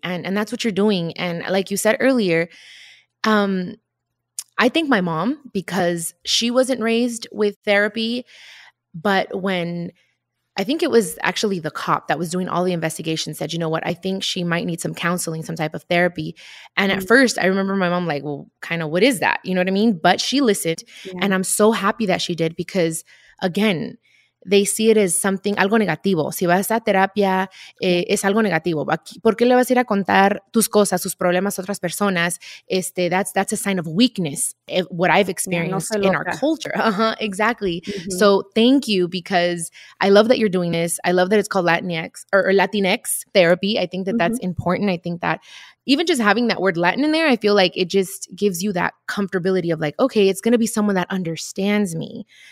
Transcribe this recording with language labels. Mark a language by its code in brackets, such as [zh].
[en] And that's what you're doing. And like you said earlier, I thank my mom because she wasn't raised with therapy, but when I think it was actually the cop that was doing all the investigation said, you know what, I think she might need some counseling, some type of therapy. And at first I remember my mom like, well, kind of what is that? You know what I mean? But she listened and I'm so happy that she did, because again, they see it as something, [es] algo negativo. Si vas a terapia, es algo negativo. ¿Por qué le vas a ir a contar tus cosas, tus problemas a otras personas? [en] That's a sign of weakness, what I've experienced in our culture. Uh-huh, exactly. Mm-hmm. So thank you, because I love that you're doing this. I love that it's called Latinx or Latinx therapy. I think that that's important. I think that even just having that word Latin in there, I feel like it just gives you that comfortability of like, okay, it's going to be someone that understands me.